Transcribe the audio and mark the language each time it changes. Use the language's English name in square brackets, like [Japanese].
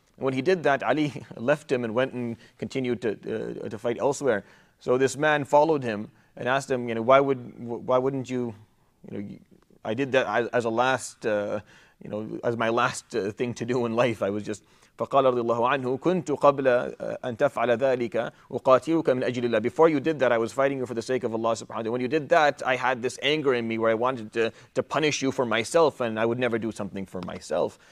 [English] And when he did that, Ali left him and went and continued to fight elsewhere. So this man followed him and asked him, why wouldn't you, I did that as a last, as my last thing to do in life. I was just [Arabic] فقال رضي الله عنه كنت قبل أن تفعل ذلك أقاتلك من أجل الله. [English] Before you did that, I was fighting you for the sake of Allah subhanahu wa ta'ala. When you did that, I had this anger in me where I wanted to punish you for myself, and I would never do something for myself.